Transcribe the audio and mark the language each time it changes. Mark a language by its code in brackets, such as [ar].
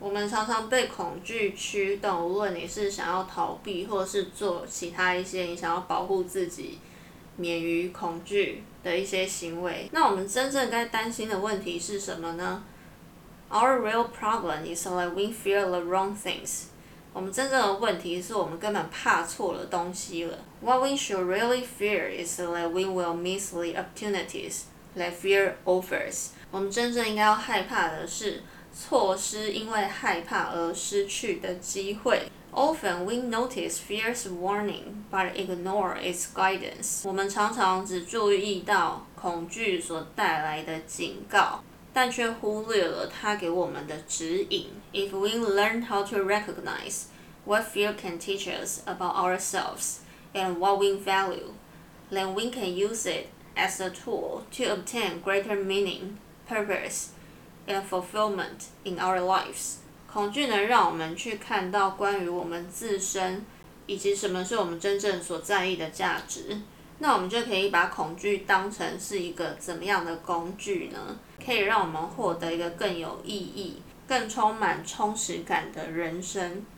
[zh] 我们常常被恐惧驱动，无论你是想要逃避，或是做其他一些你想要保护自己。免于恐惧的一些行为，那我们真正该担心的问题是什么呢？ [en] Our real problem is that we fear the wrong things。 [zh] 我们真正的问题是我们根本怕错了东西了。 [en] What we should really fear is that we will miss the opportunities that fear offers。 [zh] 我们真正应该要害怕的是错失因为害怕而失去的机会。 [en] Often we notice fear's warning, but ignore its guidance. [zh] 我们常常只注意到恐惧所带来的警告，但却忽略了它给我们的指引。 [en] If we learn how to recognize what fear can teach us about ourselves and what we value, then we can use it as a tool to obtain greater meaning, purpose, and fulfillment in our lives. [zh] 恐惧能让我们去看到关于我们自身以及什么是我们真正所在意的价值，那我们就可以把恐惧当成是一个怎么样的工具呢？可以让我们获得一个更有意义、更充满充实感的人生。